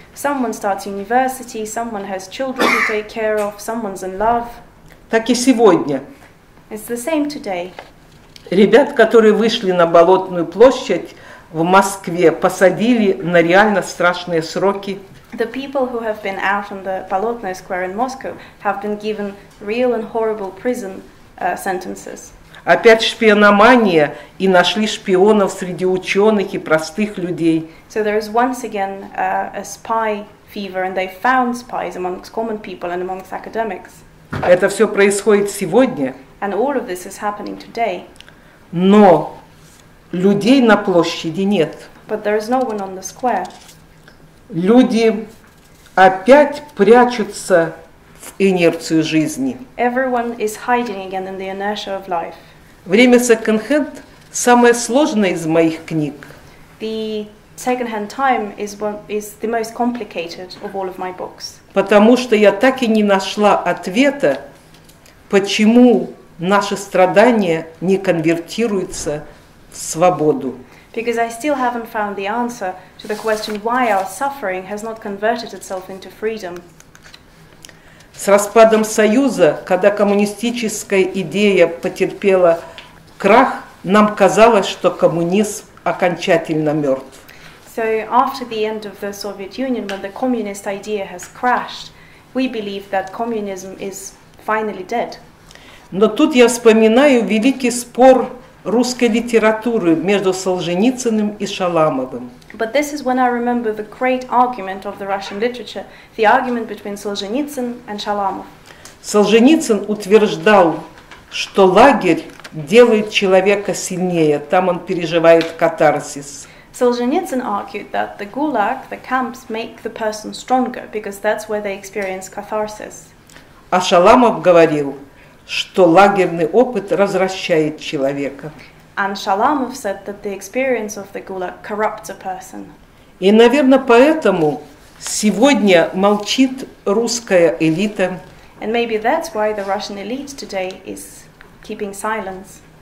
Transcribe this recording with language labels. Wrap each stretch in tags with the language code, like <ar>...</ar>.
<en>Someone starts university, someone has children to take care of, someone's in love.</en> <ru>Так и сегодня.</ru> <en>It's the same today.</en> <ru>Ребят, которые вышли на Болотную площадь в Москве, посадили на реально страшные сроки.</ru> <en>The people who have been out on the Bolotnoy Square in Moscow have been given real and horrible prison sentences.</en> <ru>Опять шпиономания, и нашли шпионов среди ученых и простых людей.</ru> <en>So there is once again a spy fever, and they found spies amongst common people and amongst academics.</en> <ru>Это все происходит сегодня.</ru> <en>And all of this is happening today.</en> <ru>Но людей на площади нет.</ru> <en>But there is no one on the square.</en> <ru>Люди опять прячутся в инерцию жизни.</ru> <en>Everyone is hiding again in the inertia of life.</en> <ru>«Время секонд-хенд» – самое сложное из моих книг.</ru> <en>The second-hand time is the most complicated of all of my books.</en> <ru>Потому что я так и не нашла ответа, почему наши страдания не конвертируются в свободу.</ru> <en>Because I still haven't found the answer to the question why our suffering has not converted itself into freedom.</en> <ru>С распадом Союза, когда коммунистическая идея потерпела крах, нам казалось, что коммунизм окончательно мертв.</ru> <en>So after the end of the Soviet Union, when the communist idea has crashed, we believe that communism is finally dead.</en> <ru>Но тут я вспоминаю великий спор русской литературы между Солженицыным и Шаламовым.</ru> <en>But this is when I remember the great argument of the Russian literature, the argument between Solzhenitsyn and Shalamov.</en> <ru>Солженицын утверждал, что лагерь делает человека сильнее, там он переживает катарсис.</ru> <en>Solzhenitsyn argued that the gulag, the camps, make the person stronger, because that's where they experience catharsis.</en> <ru>А Шаламов говорил, что лагерный опыт развращает человека.</ru> <en>And Shalamov said that the experience of the gulag corrupts a person.</en> <ru>И, наверное, поэтому сегодня молчит русская элита.</ru> <en>And maybe that's why the Russian elite today is keeping silence.</en>